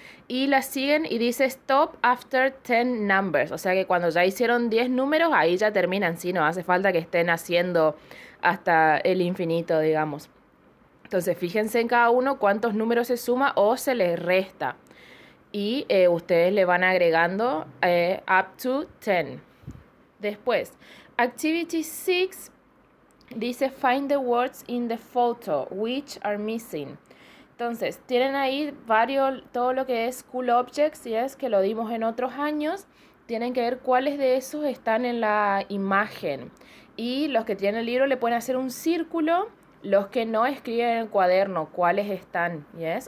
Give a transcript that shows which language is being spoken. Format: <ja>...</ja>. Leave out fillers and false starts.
<es>Y la siguen y dice</es> <en>stop after 10 numbers.</en> <es>O sea que cuando ya hicieron 10 números, ahí ya terminan. Sí, no hace falta que estén haciendo hasta el infinito, digamos. Entonces, fíjense en cada uno cuántos números se suma o se les resta. Y ustedes le van agregando up to 10. Después, activity 6 dice</es> <en>find the words in the photo which are missing.</en> <es>Entonces, tienen ahí varios, todo lo que es cool objects, ¿yes? Que lo dimos en otros años. Tienen que ver cuáles de esos están en la imagen. Y los que tienen el libro le pueden hacer un círculo. Los que no, escriben en el cuaderno cuáles están, ¿yes?</es>